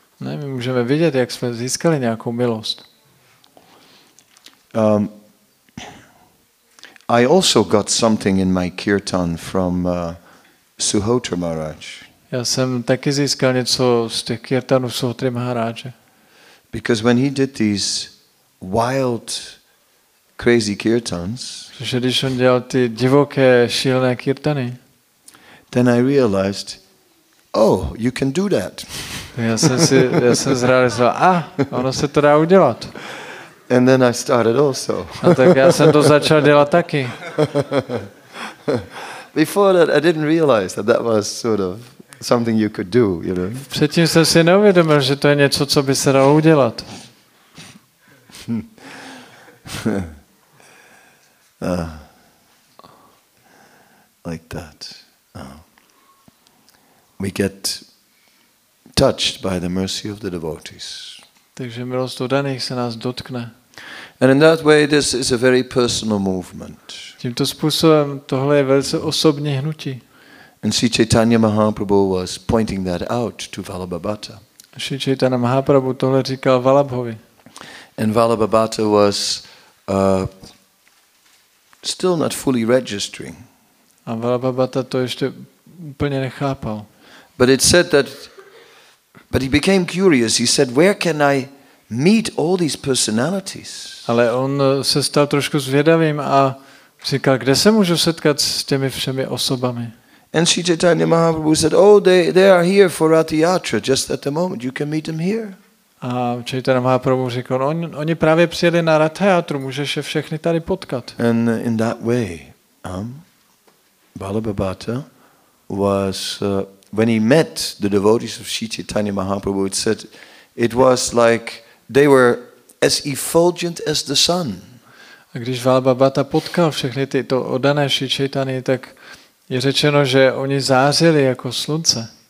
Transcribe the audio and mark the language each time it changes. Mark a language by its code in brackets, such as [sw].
[cs] Ne, my můžeme vidět, jak jsme získali nějakou milost. [en] I also got something in my kirtan from Suhotra Maharaj. [cs] Já jsem taky získal něco z těch kirtanů Suhotry Maharaje. [en] Because when he did these wild crazy kirtans, [cs] že když on dělal ty divoké šílené kirtany, [en] then I realized, oh, you can do that. [cs] Já jsem zrealizoval, ono se to dá udělat. [en] And then I started also. [cs] A tak já jsem to začal dělat taky. [en] Before that I didn't realize that was sort of something you could do, you know. [cs] Předtím jsem si neuvědomil, že to je něco, co by se dalo udělat. [en] Like that. We get touched by the mercy of the devotees. [cs] Takže milost odaných se nás dotkne. [en] And in that way this is a very personal movement. [cs] Tímto způsobem tohle je velice osobní hnutí. [en] And Sri Chaitanya Mahaprabhu was pointing that out to Vallabhabhata. [cs] Sri Chaitanya Mahaprabhu tohle říkal Vallabhovi. [en] And Vallabhabhata was still not fully registering. [cs] A Vallabhabhata to ještě úplně nechápal. [en] But it said that But he became curious. He said, "Where can I meet all these personalities?" [cs] Ale on se stal trošku zvědavým a říkal, kde se můžu setkat s těmi všemi osobami? [en] And Sri Chaitanya Mahaprabhu said, "Oh, they are here for Rath Yatra just at the moment. You can meet them here." [cs] A Chaitanya Mahaprabhu řekl, oni právě přijeli na Rath Yatru, můžeš je všechny tady potkat. [en] And in that way, Vallabhabhata was when he met the devotees of Sri Chaitanya Mahaprabhu, it said it was like they were as effulgent as the sun. [cs] A když Vallabhabhata potkal všechny tyto oddané Sri Chaitany, tak je řečeno, že oni zářili jako slunce.